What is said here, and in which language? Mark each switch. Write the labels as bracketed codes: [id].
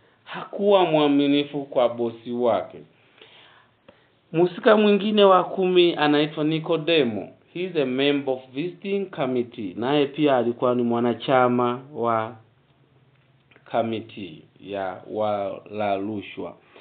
[sw] Hakuwa mwaminifu kwa bosi wake. Musika mwingine wa kumi anaitwa Nicodemo. [en] He's a member of visiting committee. [sw] Naye pia alikuwa ni mwanachama wa committee ya wala rushwa.